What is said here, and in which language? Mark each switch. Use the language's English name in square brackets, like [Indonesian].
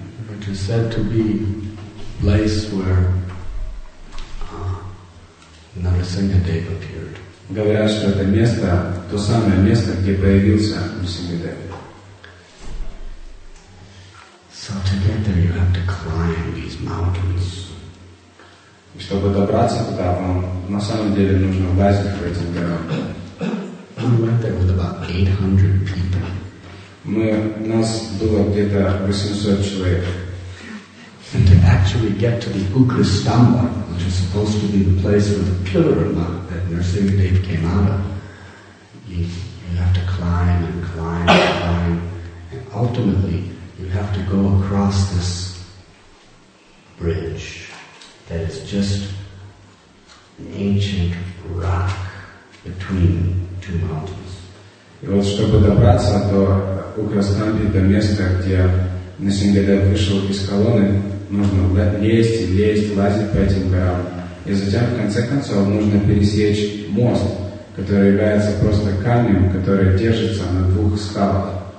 [English] Which is said to be a place where Narasimhadev appeared. [Russian] Говорят, что это место, то самое место, где появился Нарасимхадев. [English] So to get there you have to climb these mountains. [Russian] И чтобы добраться туда, вам на самом деле нужно влазить в эти горы. [English] We went there with about 800 people. [Russian] У нас было где-то 800 человек. [English] And to actually get to the Ugrastamba, which is supposed to be the place where the pillar of Mount that Narasimhadev came out of, you have to climb and climb and climb, and ultimately you have to go across this bridge that is just an ancient rock between two mountains. [Russian] И вот чтобы добраться до Ugrastamby, до места, где Нарасимхадев вышел из колонны, нужно лезть и лезть, лазить по этим горам. И затем, в конце концов, нужно пересечь мост, который является просто камнем, который держится на двух скалах.